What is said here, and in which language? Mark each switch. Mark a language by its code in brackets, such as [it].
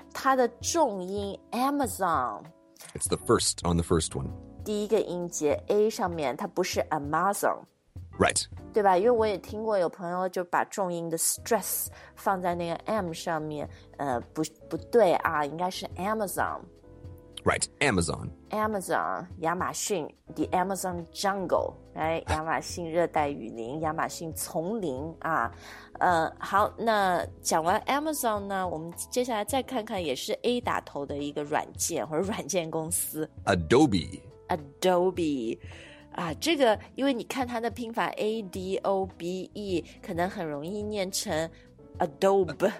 [zh] 它的重音 Amazon， [en] It's the first on the first one。 [zh] 第一个音节 A 上面，它不是 Amazon。 [en] Right。 [zh] 对吧？因为我也听过有朋友就把重音的 stress 放在那个 M 上面，不对啊，应该是 Amazon。 [en] Right, Amazon. Amazon, 亚马逊 the Amazon jungle, right? [zh] 亚马逊热带雨林，亚马逊丛林啊。好，那讲完 Amazon 呢，我们接下来再看看也是 A 打头的一个软件或者软件公司。 [en] Adobe. [zh] Adobe, 啊，这个因为你看它的拼法 A D O B E，可能很容易念成 Adobe。